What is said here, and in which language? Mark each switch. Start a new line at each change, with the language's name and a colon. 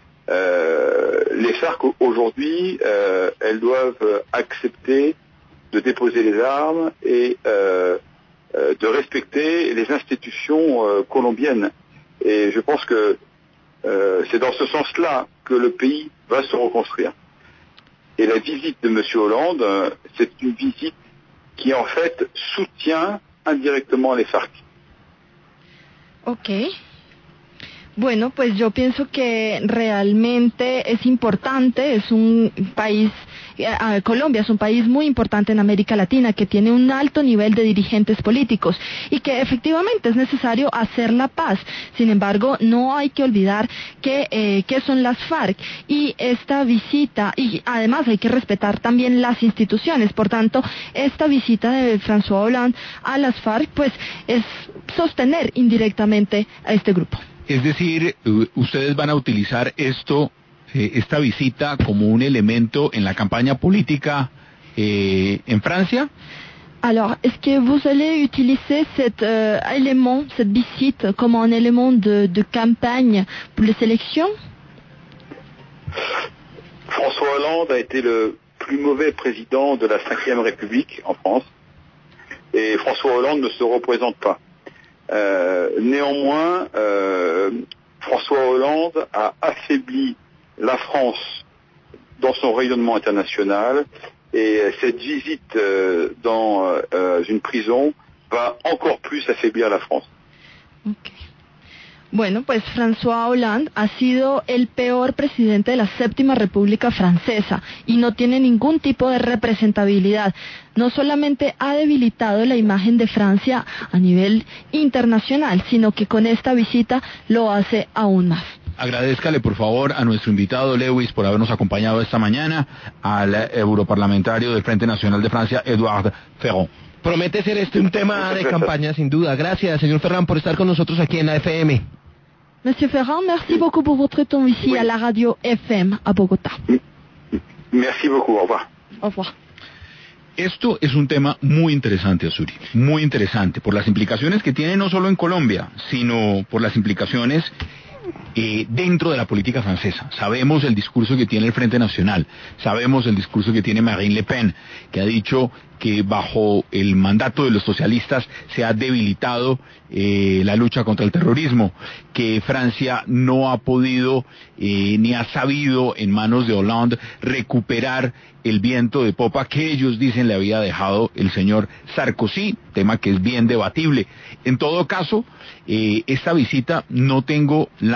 French: Les FARC, aujourd'hui, elles doivent accepter de déposer les armes et de respecter les institutions colombiennes. Et je pense que c'est dans ce sens-là que le pays va se reconstruire. Et la visite de M. Hollande, c'est une visite qui en fait soutient indirectement les FARC. Ok.
Spanish: Bueno, pues yo pienso que realmente es importante, es un país, Colombia es un país muy importante en América Latina que tiene un alto nivel de dirigentes políticos y que efectivamente es necesario hacer la paz. Sin embargo, no hay que olvidar que son las FARC y esta visita, y además hay que respetar también las instituciones. Por tanto, esta visita de François Hollande a las FARC pues es sostener indirectamente a este grupo. Es decir, ¿ustedes van a utilizar esto, esta visita, como un elemento en la campaña política en Francia?
French: Alors, est-ce que vous allez utiliser cet élément, cette visite, comme un élément de campagne pour les élections? François Hollande a été le plus mauvais président de la Ve République en France, et François Hollande ne se représente pas. Néanmoins, François Hollande a affaibli la France dans son rayonnement international et cette visite dans une prison va encore plus affaiblir la France. Okay.
Spanish: Bueno, pues François Hollande ha sido el peor presidente de la Séptima República Francesa y no tiene ningún tipo de representabilidad. No solamente ha debilitado la imagen de Francia a nivel internacional, sino que con esta visita lo hace aún más. Agradézcale, por favor, a nuestro invitado Lewis por habernos acompañado esta mañana, al europarlamentario del Frente Nacional de Francia, Edouard Ferrand. Promete ser este un tema de campaña, sin duda. Gracias, señor Ferrand, por estar con nosotros aquí en la FM.
French: Monsieur Ferrand, merci beaucoup pour votre temps ici à la radio FM à Bogotá. Merci beaucoup, au revoir. Au revoir.
Spanish: Esto es un tema muy interesante, Azuri, muy interesante, por las implicaciones que tiene no solo en Colombia, sino por las implicaciones dentro de la política francesa. Sabemos el discurso que tiene el Frente Nacional, sabemos el discurso que tiene Marine Le Pen, que ha dicho que bajo el mandato de los socialistas se ha debilitado la lucha contra el terrorismo, que Francia no ha podido ni ha sabido en manos de Hollande recuperar el viento de popa que ellos dicen le había dejado el señor Sarkozy, tema que es bien debatible. En todo caso, esta visita no tengo la